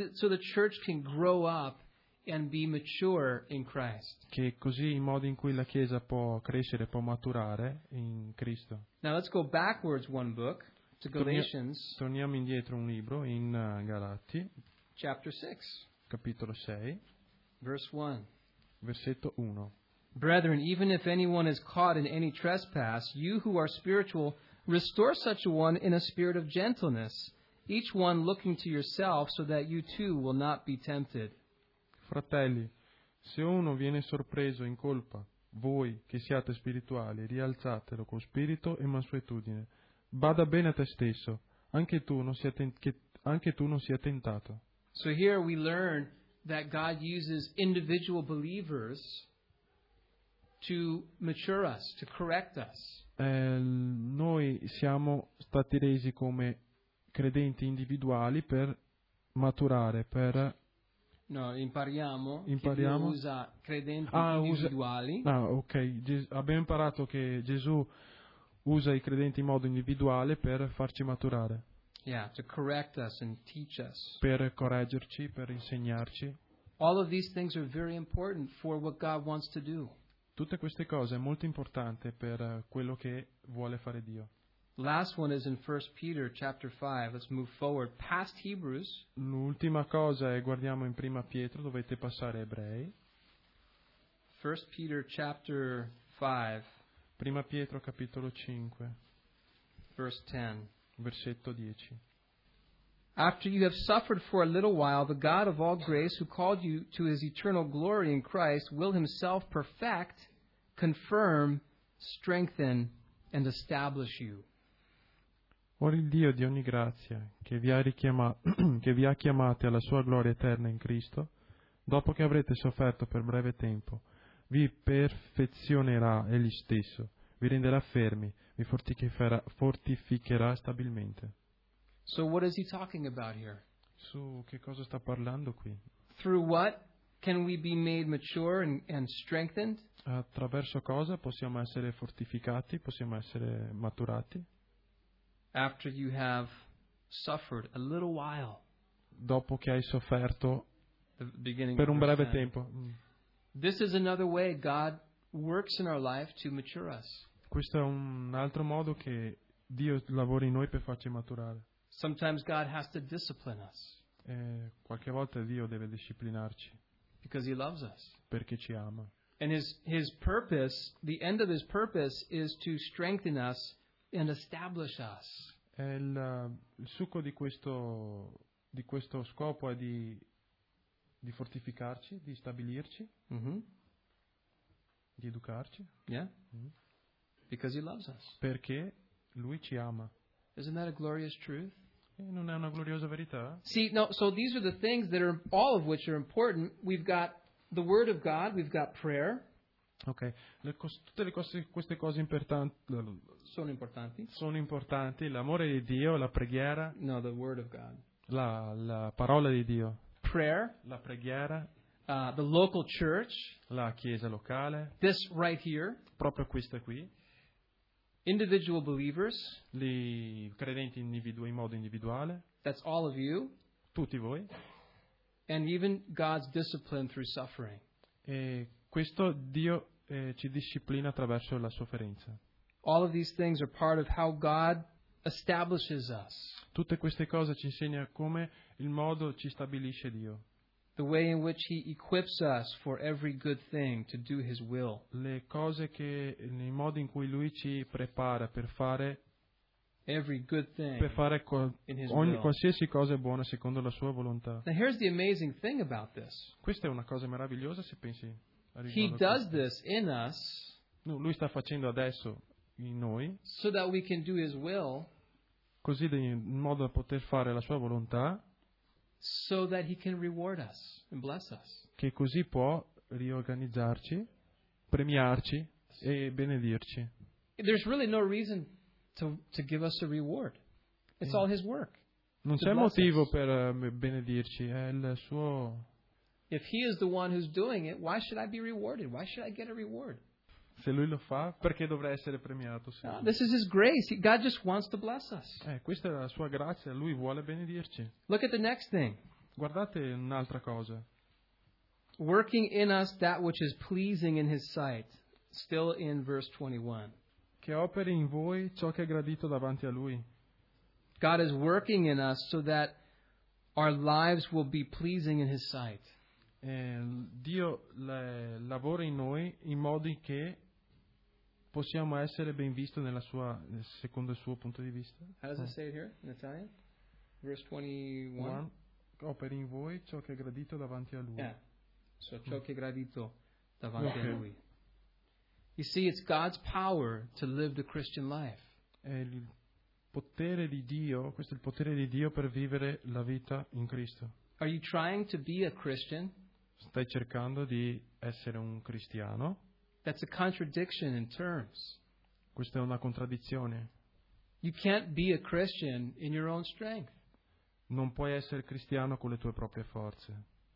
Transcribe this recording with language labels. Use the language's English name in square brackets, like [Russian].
[English] So the church can grow up and be mature in Christ. [Italian] Che così i modi in cui la Chiesa può crescere, può maturare in Cristo. [English] Now let's go backwards one book to Galatians. [Italian] Torniamo indietro un libro in Galati. [English] Chapter 6. [Italian] Capitolo 6. [English] Verse 1. [Italian] Versetto 1. [English] Brethren, even if anyone is caught in any trespass, you who are spiritual, restore such a one in a spirit of gentleness, each one looking to yourself, so that you too will not be tempted. [Italian] Fratelli, se uno viene sorpreso in colpa, voi che siate spirituali, rialzatelo con spirito e mansuetudine. Bada bene a te stesso, anche tu non sia tentato. [English] So here we learn that God uses individual believers to mature us, to correct us. [Italian] Noi siamo stati resi come credenti individuali per maturare, per... No, impariamo. Che usa credenti individuali. Abbiamo imparato che Gesù usa i credenti in modo individuale per farci maturare. [English] Yeah, to correct us and teach us. [Italian] Per correggerci, per insegnarci. [English] All of these things are very important for what God wants to do. [Italian] Tutte queste cose è molto importante per quello che vuole fare Dio. [English] Last one is in 1 Peter chapter 5. Let's move forward past Hebrews. [Italian] L'ultima cosa è guardiamo in Prima Pietro, dovete passare Ebrei. [English] 1 Peter chapter 5. [Italian] Prima Pietro capitolo 5. Versetto 10. [English] After you have suffered for a little while, the God of all grace, who called you to his eternal glory in Christ, will himself perfect, confirm, strengthen, and establish you. [Italian] Or il Dio di ogni grazia, che vi ha chiamati alla sua gloria eterna in Cristo, dopo che avrete sofferto per breve tempo, vi perfezionerà egli stesso, vi renderà fermi, vi fortificherà stabilmente. [English] So what is he talking about here? [Italian] Su che cosa sta parlando qui? [English] Through what can we be made mature and strengthened? [Italian] Attraverso cosa possiamo essere fortificati, possiamo essere maturati? [English] After you have suffered a little while. [Italian] Dopo che hai sofferto per un breve tempo. [English] This is another way God works in our life to mature us. [Italian] Questo è un altro modo che Dio lavora in noi per farci maturare. [English] Sometimes God has to discipline us. [Italian] Qualche volta Dio deve disciplinarci. [English] Because he loves us. [Italian] Perché ci ama. [English] And his purpose, the end of his purpose, is to strengthen us and establish us. [Italian] Il succo di questo scopo è di fortificarci, di stabilirci, di educarci. [English] Yeah. Because he loves us. [Italian] Perché lui ci ama. [English] Isn't that a glorious truth? [Italian] Non è una gloriosa verità? [English] See, no, so these are the things that are, all of which are important. We've got the word of God, we've got prayer. [Italian] Ok, tutte queste cose sono importanti, l'amore di Dio, la preghiera. [English] No, the word of God. [Italian] La parola di Dio. [English] Prayer. [Italian] La preghiera. [English] The local church. [Italian] La chiesa locale. [English] This right here. [Italian] Proprio questa qui. [English] Individual believers, [Italian] i credenti in modo individuale. [English] That's all of you. [Italian] Tutti voi. [English] And even God's discipline through suffering. [Italian] E questo Dio ci disciplina attraverso la sofferenza. [English] All of these things are part of how God establishes us. [Italian] Tutte queste cose ci insegna come il modo ci stabilisce Dio. [English] The way in which he equips us for every good thing to do his will. [Italian] Le cose che nei modi in cui lui ci prepara per fare [English] every good thing. [Italian] Per fare qualsiasi cosa buona secondo la sua volontà. [English] Now here's the amazing thing about this. [Italian] Questa è una cosa meravigliosa se pensi. [English] He does this in us. [Italian] No, lui sta facendo adesso in noi. [English] So that we can do his will. [Italian] Così in modo da poter fare la sua volontà. [English] So that he can reward us and bless us. [Italian] Che così può riorganizzarci, premiarci e benedirci. [English] There's really no reason to give us a reward. It's all his work. [Italian] Non c'è motivo per benedirci, è il suo. [English] If he is the one who's doing it, why should I be rewarded? Why should I get a reward? [Italian] Se lui lo fa, perché dovrei essere premiato? [English] No, this is his grace. God just wants to bless us. [Italian] Questa è la sua grazia. Lui vuole benedirci. [English] Look at the next thing. [Italian] Guardate un'altra cosa. [English] Working in us that which is pleasing in his sight. Still in verse 21. [Italian] Che operi in voi ciò che è gradito davanti a lui. [English] God is working in us so that our lives will be pleasing in his sight. [Italian] Dio lavora in noi in modi che possiamo essere ben visto nella sua, secondo il suo punto di vista. [English] How does it say it here in Italian? Verse 21. [Italian] Operi in voi ciò che è gradito davanti a lui. [English] Yeah. [Italian] So ciò che è gradito davanti a lui. [English] You see, it's God's power to live the Christian life. [Italian] È il potere di Dio, questo è il potere di Dio per vivere la vita in Cristo. [English] Are you trying to be a Christian? [Italian] Stai cercando di essere un cristiano? [English] That's a contradiction in terms. [Italian] Questa è una contraddizione. [English] You can't be a Christian in your own strength. [Italian] Non puoi essere cristiano con le tue proprie forze.